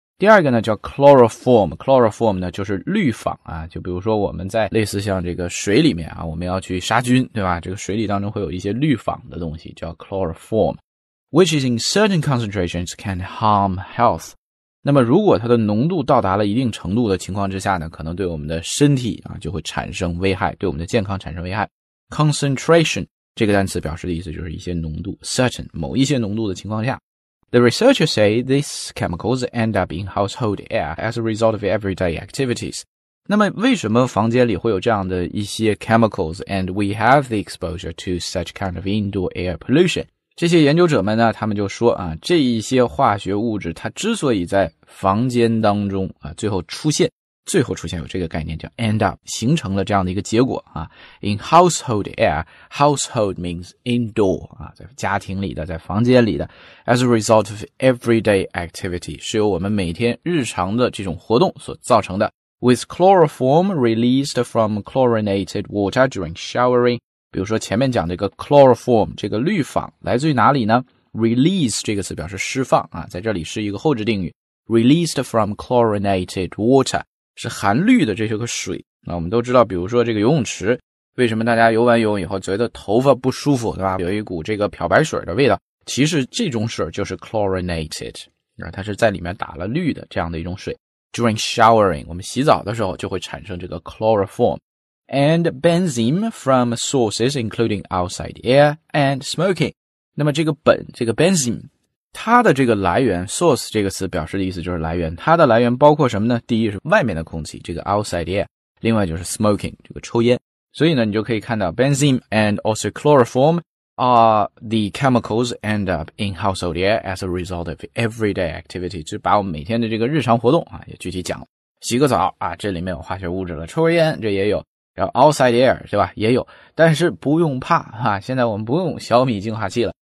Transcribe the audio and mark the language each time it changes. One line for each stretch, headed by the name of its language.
Chinese: 第二个呢叫 chloroform,chloroform 呢就是氯仿啊，就比如说我们在类似像这个水里面啊，我们要去杀菌，对吧，这个水里当中会有一些氯仿的东西叫 chloroform,
English: which is in certain concentrations can harm health.
Chinese: 那么如果它的浓度到达了一定程度的情况之下呢，可能对我们的身体啊就会产生危害，对我们的健康产生危害。 concentration, 这个单词表示的意思就是一些浓度， certain, 某一些浓度的情况下。
English: The researchers say these chemicals end up in household air as a result of everyday activities.
Chinese: 那么为什么房间里会有这样的一些
English: chemicals and we have the exposure to such kind of indoor air pollution?
Chinese: 这些研究者们呢，他们就说啊，这一些化学物质它之所以在房间当中啊，最后出现有这个概念叫 end up, 形成了这样的一个结果啊。
English: In household air, household means indoor, 啊，
Chinese: 在家庭里的，在房间里的。
English: As a result of everyday activity,
Chinese: 是由我们每天日常的这种活动所造成的。
English: With chloroform released from chlorinated water during showering,
Chinese: 比如说前面讲的一个
English: chloroform,
Chinese: 这个氯仿来自于哪里呢？ Release 这个词表示释放啊，在这里是一个后置定语。
English: Released from chlorinated water,
Chinese: 是含氯的这些个水，那我们都知道，比如说这个游泳池，为什么大家游完游泳以后觉得头发不舒服，对吧？有一股这个漂白水的味道，其实这种水就是 chlorinated, 它是在里面打了氯的这样的一种水。
English: During showering,
Chinese: 我们洗澡的时候就会产生这个
English: chloroform, and benzene from sources including outside air and smoking.
Chinese: 那么这个苯，这个 benzene,它的这个来源 source 这个词表示的意思就是来源，它的来源包括什么呢？第一是外面的空气，这个 outside air, 另外就是 smoking, 这个抽烟。所以呢你就可以看到
English: benzene and also chloroform are the chemicals end up in household air as a result of everyday activity,
Chinese: 就把我们每天的这个日常活动啊也具体讲了，洗个澡啊，这里面有化学物质了，抽烟这也有，然后 outside air 对吧也有，但是不用怕啊，现在我们不用小米净化器了。